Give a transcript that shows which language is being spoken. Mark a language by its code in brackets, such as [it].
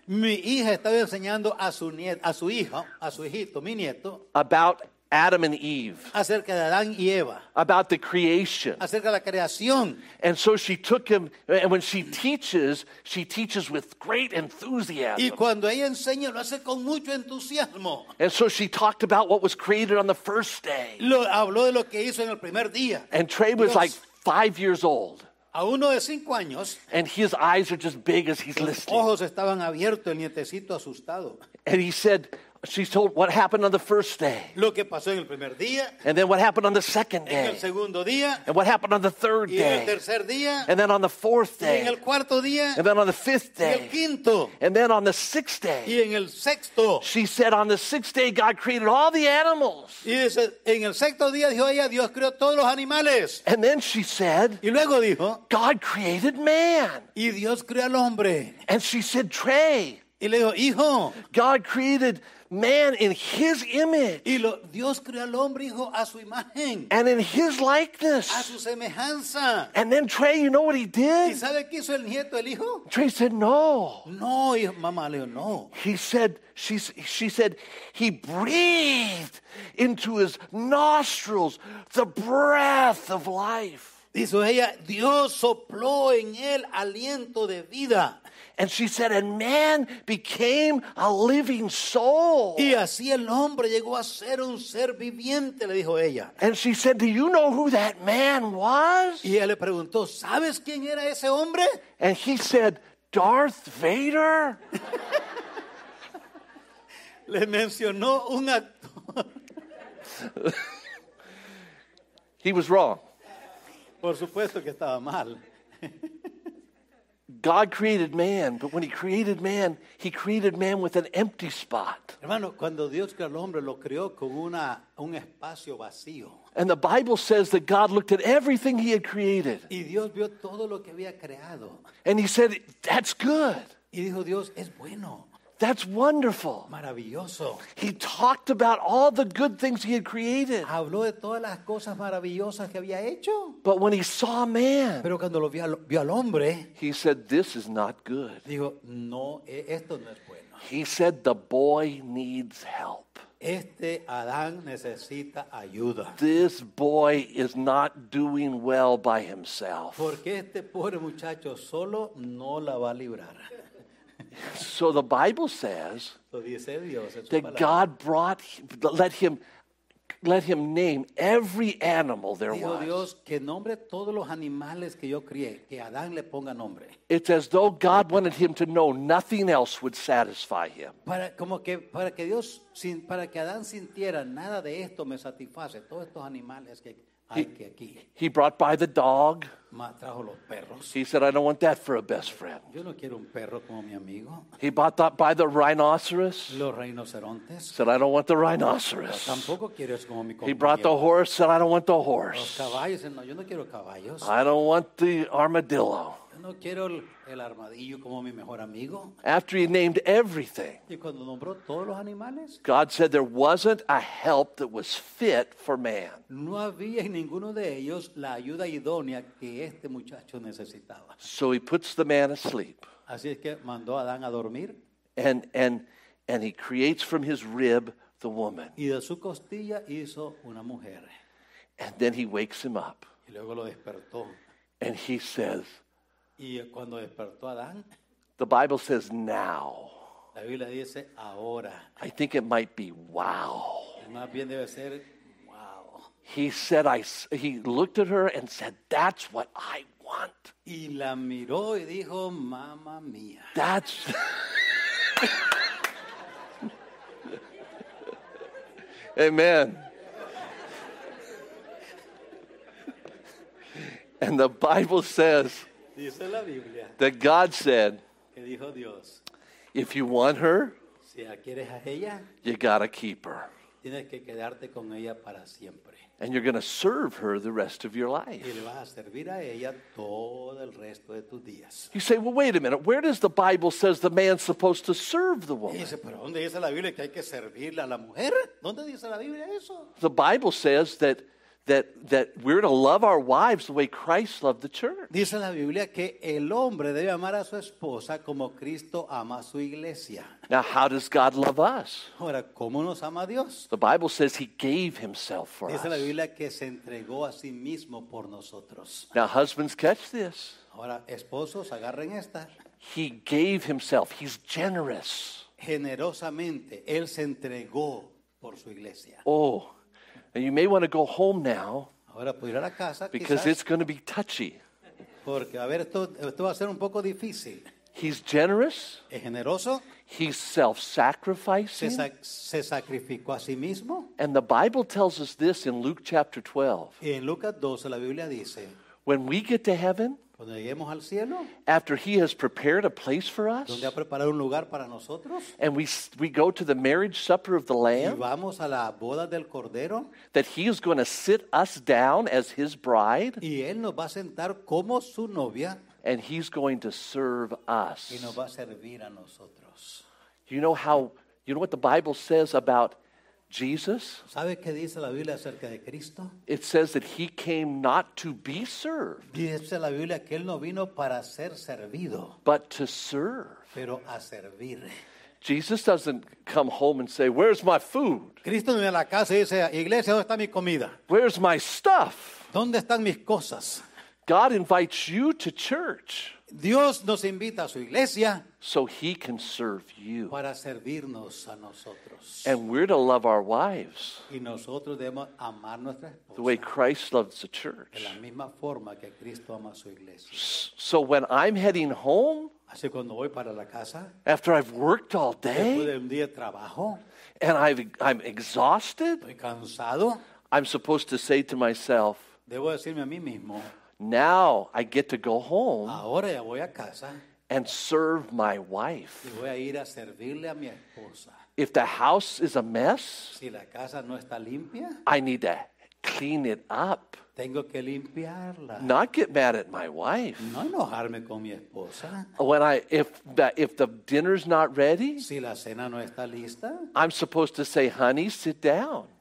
[es] Mi hija estaba enseñando a su hijito, mi nieto. [en] About Adam and Eve. [es] Acerca de Adán y Eva. [en] About the creation. [es] Acerca de la creación. [en] And so she took him, and when she teaches with great enthusiasm. [es] Y cuando ella enseña, lo hace con mucho entusiasmo. [en] And so she talked about what was created on the first day. [es] Habló de lo que hizo en el primer día. [en] And Trey was like 5 years old. [es] A uno de cinco años, [en] and his eyes are just big as he's listening. [es] Ojos estaban abiertos, el nietecito asustado. [en] And he said, she told what happened on the first day. [es] Lo que pasó en el primer día, [en] and then what happened on the second day. [es] En el segundo día, [en] and what happened on the third day. [es] En el tercer día, [en] and then on the fourth day. [es] En el cuarto día, [en] and then on the fifth day. [es] Y el quinto, [en] and then on the sixth day. [es] Y en el sexto, [en] she said, on the sixth day, God created all the animals. [es] Y dice, en el sexto día, dijo ella, Dios creó todos los animales. [en] And then she said, [es] y luego dijo, [en] God created man. [es] Y Dios creó al hombre. [en] And she said, Trey. [es] Y le dijo, hijo, [en] God created man in his image. [es] Y lo, Dios creó al hombre, hijo, a su imagen. [en] And in his likeness. [es] A su semejanza. [en] And then Trey, you know what he did? [es] ¿Y sabe qué hizo el nieto, el hijo? [en] Trey said, no. [es] No, hijo, mamá le dijo, no. [en] He said, she said, he breathed into his nostrils the breath of life. [es] Dijo ella, Dios sopló en él aliento de vida. [en] And she said, and man became a living soul. [es] Y así el hombre llegó a ser un ser viviente, le dijo ella. [en] And she said, do you know who that man was? [es] Y ella le preguntó, ¿sabes quién era ese hombre? [en] And he said, Darth Vader. [es] Le mencionó un actor. [en] He was wrong. [es] Por supuesto que estaba mal. [en] God created man, but when he created man with an empty spot. [es] Hermano, cuando Dios creó al hombre, lo creó con un espacio vacío. [en] And the Bible says that God looked at everything he had created. [es] Y Dios vio todo lo que había creado. [en] And he said, that's good. [es] Y dijo Dios, es bueno. [en] That's wonderful. [es] Maravilloso. [en] He talked about all the good things he had created. [es] Habló de todas las cosas maravillosas que había hecho. [en] But when he saw man, [es] pero cuando lo vio al hombre, [en] he said, this is not good. [es] Dijo, no, esto no es bueno. [en] He said, the boy needs help. [es] Este Adán necesita ayuda. [en] This boy is not doing well by himself. [es] Porque este pobre muchacho solo no la va a librar. [en] So the Bible says that God brought, let him name every animal there was. [es] Dios que nombre todos los animales que yo crié, que Adán le ponga nombre. [en] It's as though God wanted him to know nothing else would satisfy him. [es] Para como que para que Dios sin para que Adán sintiera nada de esto me satisface, todos estos animales que [en] He brought by the dog. [es] Trajo los perros. [en] He said, I don't want that for a best friend. [es] Yo no quiero un perro como mi amigo. [en] He brought that by the rhinoceros. [es] Los rhinocerontes. [en] Said, I don't want the rhinoceros. [es] Pero tampoco quiero eso como mi compañero. [en] He brought the horse. Said, I don't want the horse. [es] Los caballos. No, yo no quiero caballos. [en] I don't want the armadillo. [es] Yo no quiero el armadillo como mi mejor amigo. [en] After he named everything, [es] y cuando nombró todos los animales, [en] God said there wasn't a help that was fit for man. [es] No había en ninguno de ellos la ayuda idónea que este muchacho necesitaba. [en] So he puts the man asleep. [es] Así es que mandó a Adán a dormir. [en] And he creates from his rib the woman. [es] Y de su costilla hizo una mujer. [en] And then he wakes him up. [es] Y luego lo despertó. [en] And he says, [es] y cuando despertó Adán, [en] the Bible says now. [es] La Biblia dice ahora. [en] I think it might be wow. [es] Más bien debe ser. [en] He said, he looked at her and said, that's what I want. [es] Y la miró y dijo, mamá mía. [en] That's. [es] Amen. [en] And the Bible says [es] dice la Biblia, [en] that God said, [es] que dijo Dios, [en] if you want her, [es] si la quieres a ella, [en] you got to keep her. [es] Tienes que quedarte con ella para siempre. [en] And you're going to serve her the rest of your life. [es] Y le vas a servir a ella todo el resto de tus días. [en] You say, well, wait a minute. Where does the Bible says the man's supposed to serve the woman? [es] Y dice, pero ¿dónde dice la Biblia que hay que servirle a la mujer? ¿Dónde dice la Biblia eso? [en] The Bible says that we're to love our wives the way Christ loved the church. [es] Dice la Biblia que el hombre debe amar a su esposa como Cristo ama a su iglesia. [en] Now, how does God love us? [es] Ahora, ¿cómo nos ama Dios? [en] The Bible says he gave himself for [es] dice [en] us. [es] Dice la Biblia que se entregó a sí mismo por nosotros. [en] Now, husbands, catch this. [es] Ahora, esposos, agarren esta. [en] He gave himself. He's generous. [es] Generosamente, él se entregó por su iglesia. [en] Oh, and you may want to go home now [es] ahora, puede ir a la casa, [en] because [es] quizás. [en] It's going to be touchy. [es] Porque a ver, esto va a ser un poco difícil. [en] He's generous. [es] Es generoso. [en] He's self-sacrificing. [es] Se sacrificó a sí mismo. [en] And the Bible tells us this in Luke chapter 12. [es] Y en Lucas 12 la Biblia dice, [en] when we get to heaven, [es] cuando lleguemos al cielo, [en] after he has prepared a place for us, [es] donde ha preparado un lugar para nosotros, [en] and we go to the marriage supper of the Lamb, [es] y vamos a la boda del Cordero, [en] that he is going to sit us down as his bride, [es] y él nos va a sentar como su novia, [en] and he's going to serve us. [es] Y nos va a servir a nosotros. [en] You know what the Bible says about Jesus? [es] ¿Sabe qué dice la Biblia acerca de Cristo? [en] It says that he came not to be served. [es] Dice la Biblia que él no vino para ser servido, [en] but to serve. [es] Pero a servir. [en] Jesus doesn't come home and say, "Where's my food?" [es] Cristo no viene a la casa y dice, "Iglesia, ¿dónde está mi comida?" [en] "Where's my stuff?" [es] ¿Dónde están mis cosas? [en] God invites you to church. [es] Dios nos invita a su iglesia. [en] So he can serve you. [es] Para servirnos a nosotros. [en] And we're to love our wives. [es] Y nosotros debemos amar nuestra esposa. [en] The way Christ loves the church. [es] De la misma forma que Cristo ama a su iglesia. [en] So when I'm heading home, [es] así cuando voy para la casa, [en] after I've worked all day, [es] después de un día de trabajo, [en] and I'm exhausted, [es] estoy cansado, [en] I'm supposed to say to myself, [es] debo decirme a mí mismo, [en] now I get to go home. [es] Ahora ya voy a casa. [en] And serve my wife. [es] Y voy a ir a servirle a mi esposa. [en] If the house is a mess, [es] si la casa no está limpia, [en] I need to clean it up. [es] Tengo que limpiarla. [en] Not get mad at my wife. [es] No enojarme con mi esposa. [en] When if the dinner's not ready, [es] si la cena no está lista, [en] I'm supposed to say, "Honey, sit down.